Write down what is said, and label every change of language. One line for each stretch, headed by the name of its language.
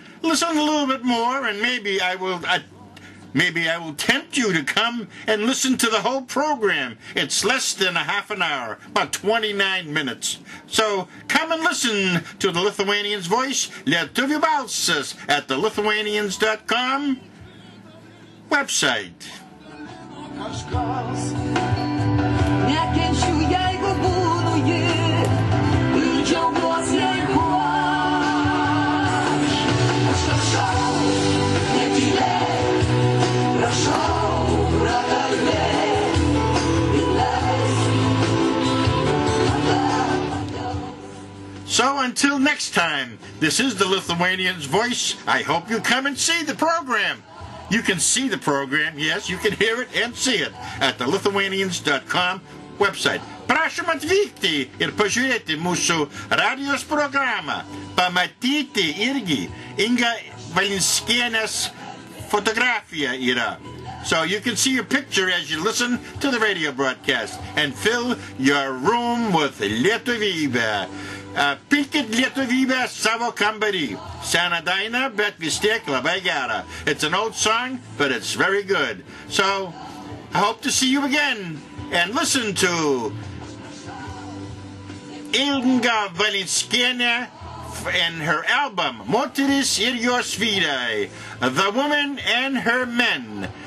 English: Listen a little bit more and maybe I will tempt you to come and listen to the whole program. It's less than a half an hour, about 29 minutes. So come and listen to the Lithuanian's Voice, Lietuviu Balsas, at the Lithuanians.com website.
Lithuanian: Nekenčiu, jeigu būnu jį, ir džiaugiuosi, jeigu aš prašau, netylėk, prašau, prakalbėk, ir leisk.
English: So until next time, this is the Lithuanian's Voice. I hope you come and see the program. You can see the program, yes, you can hear it and see it at the Lithuanians.com website.
Lithuanian: Prašom atvykti ir pažiūrėti mūsų radijos programą. Pamatyti irgi Inga Valinskienės fotografija yra.
English: So you can see your picture as you listen to the radio broadcast and fill your room with Lietuvybė.
Lithuanian: Pilkit Lietuvybę savo kambarį. Sena daina, bet vis tiek labai gera.
English: It's an old song, but it's very good. So, I hope to see you again and listen to Inga Valinskiene and her album, MOTERIS IR JOS VYRAI, The Woman and Her Men.